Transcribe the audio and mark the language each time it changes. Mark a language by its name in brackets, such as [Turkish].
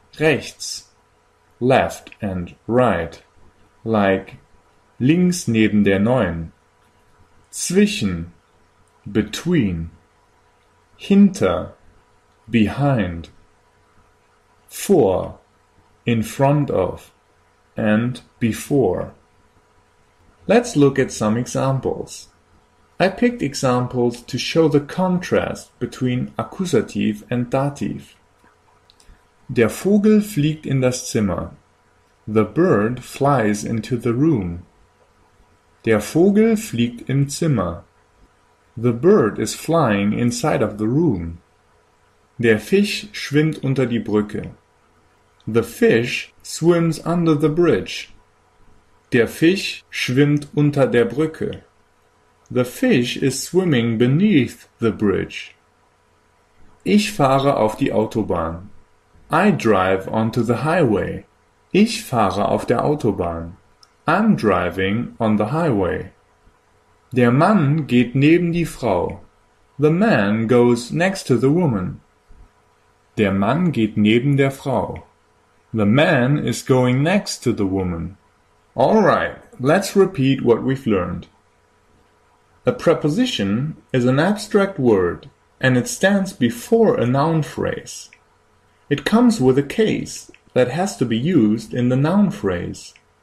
[English] rechts, left and right, like links neben der neun, zwischen, between, hinter, behind, vor, in front of, and before. Let's look at some examples. I picked examples to show the contrast between Akkusativ and Dativ. [German] Der Vogel fliegt in das Zimmer. [English] The bird flies into the room. [German] Der Vogel fliegt im Zimmer. [English] The bird is flying inside of the room. [German] Der Fisch schwimmt unter die Brücke. [English] The fish swims under the bridge. [German] Der Fisch schwimmt unter der Brücke. [English] The fish is swimming beneath the bridge. [German] Ich fahre auf die Autobahn. [English] I drive onto the highway. [German] Ich fahre auf der Autobahn. [English] I'm driving on the highway. [German] Der Mann geht neben die Frau. [English] The man goes next to the woman. [German] Der Mann geht neben der Frau. [English] The man is going next to the woman. All right, let's repeat what we've learned. A preposition is an abstract word and it stands before a noun phrase. It comes with a case that has to be used in the noun phrase.